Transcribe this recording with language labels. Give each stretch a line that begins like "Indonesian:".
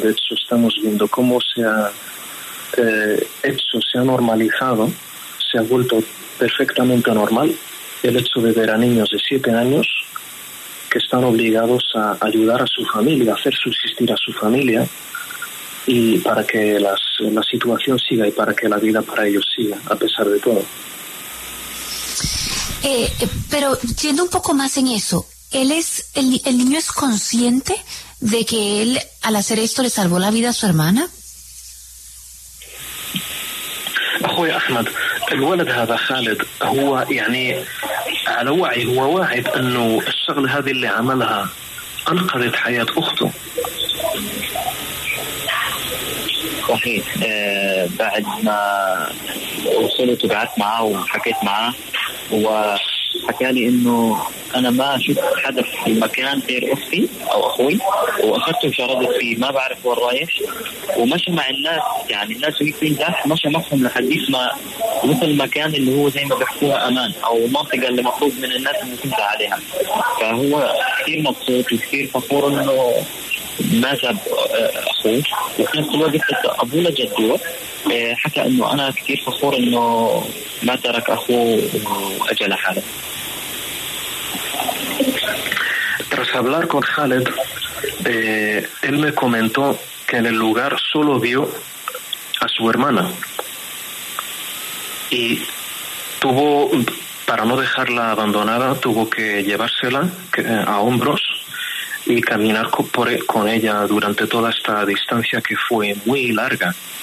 Spanish: De hecho, estamos viendo cómo se ha hecho, se ha normalizado, se ha vuelto perfectamente normal el hecho de ver a niños de 7 años que están obligados a ayudar a su familia, a hacer subsistir a su familia, y para que la situación siga y para que la vida para ellos siga, a pesar de todo. Pero yendo un poco más en eso, el niño es consciente de que él, al hacer esto, le salvó la vida a su hermana?
Arabic: أخوي أحمد، الولد هذا خالد هو يعني على وعي، هو واعي بأنه الشغل هذه اللي عملها أنقذت حياة أخته. صحيح. بعد ما وصلت وبعت معاه وحكيت معاه وحكى لي انه انا ما شفت حدا في المكان غير اختي او اخوي، واخذته وشردت فيه ما بعرف وين رايح، ومشى مع الناس. يعني الناس واقفين داخل مشى معهم لحديث ما وصل المكان اللي هو زي ما بيحكوها امان او منطقة اللي مفروض من الناس اللي كنت عليها. فهو كثير مبسوط وكثير فخور انه ما جاب أخوه، وفي نفس الوقت أبوه جدوه حكى إنه أنا كثير فخور إنه ما ترك أخوه وأجى لحاله.
Spanish: Tras hablar con Khaled, él me comentó que en el lugar solo vio a su hermana y tuvo, para no dejarla abandonada, tuvo que llevársela a hombros y caminar con ella durante toda esta distancia que fue muy larga.